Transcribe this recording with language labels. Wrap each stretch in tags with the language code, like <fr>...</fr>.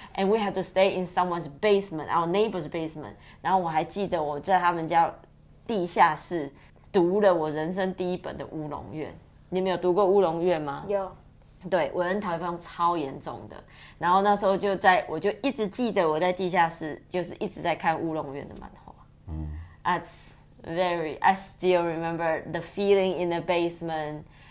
<en>And we have to stay in someone's basement, our neighbor's basement.</en> <zh>然后我还记得我在他们家地下室读了我人生第一本的乌龙院。你们有读过乌龙院吗？有。对，我跟台风超严重的。然后那时候就在，我就一直记得我在地下室就是一直在看乌龙院的漫画。</zh> <en>That's very, I still remember the feeling in the basement.</en>